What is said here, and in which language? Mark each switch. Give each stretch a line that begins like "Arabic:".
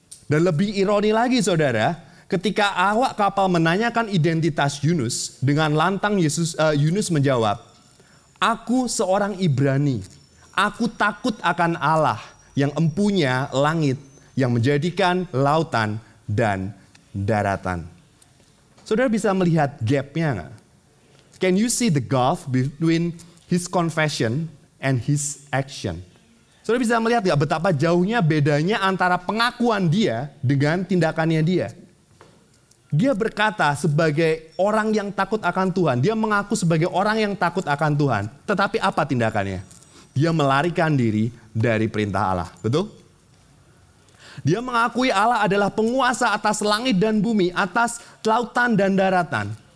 Indonesian: Dan lebih ironi lagi saudara, ketika awak kapal menanyakan identitas Yunus, dengan lantang Yunus menjawab, "Aku seorang Ibrani, aku takut akan Allah yang empunya langit, yang menjadikan lautan dan daratan." Saudara bisa melihat gap-nya gak?
English: Can you see the gulf between his confession and his action?
Indonesian: Saudara bisa melihat gak betapa jauhnya bedanya antara pengakuan dia dengan tindakannya dia? Dia berkata sebagai orang yang takut akan Tuhan. Dia mengaku sebagai orang yang takut akan Tuhan. Tetapi apa tindakannya? Dia melarikan diri dari perintah Allah. Betul? Dia mengakui Allah adalah penguasa atas langit dan bumi, atas lautan dan daratan.